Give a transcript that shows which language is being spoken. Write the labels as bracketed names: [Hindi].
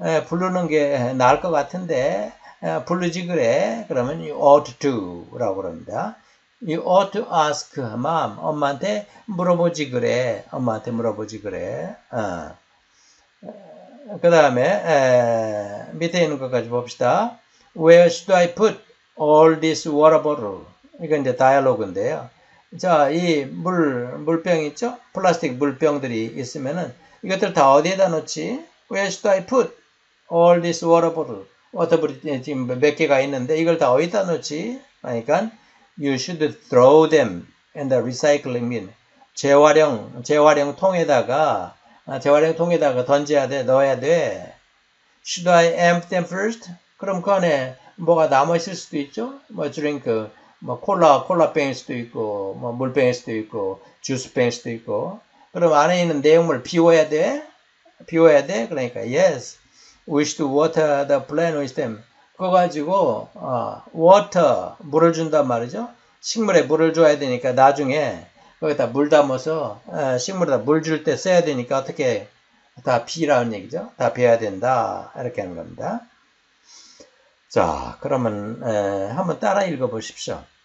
[Korean] 부르는 게 나을 것 같은데. 부르지 그래. 그러면 [English] you ought to [Korean] 라고 그럽니다. [English] You ought to ask mom. [Korean] 엄마한테 물어보지 그래. 엄마한테 물어보지 그래. 그 다음에 밑에 있는 것까지 봅시다. [English] Where should I put all this water bottle? [Korean] 이건 이제 다이아로그인데요. 자, 이 물병 있죠? 플라스틱 물병들이 있으면은 이것들 다 어디에다 놓지? [English] Where should I put all this water bottle? [Korean] 워터볼이 지금 몇 개가 있는데 이걸 다 어디다 놓지? 그러니까 [English] you should throw them in the recycling bin. [Korean] 재활용통에다가 던져야 돼, 넣어야 돼. [English] Should I empty them first? [Korean] 그럼 그 안에 뭐가 남아 있을 수도 있죠. 뭐 drink, 뭐 콜라병일 수도 있고, 뭐 물병일 수도 있고, 주스병일 수도 있고. 그럼 안에 있는 내용물을 비워야 돼? 비워야 돼? 그러니까 [English] yes, we should water the plant with them. [Korean] 그거 가지고 water 물을 준단 말이죠. 식물에 물을 줘야 되니까 나중에 거기다 물 담아서 식물에다 물줄때 써야 되니까 어떻게 다 비라는 얘기죠? 다 베어야 된다 이렇게 하는 겁니다. 자, 그러면 한번 따라 읽어 보십시오.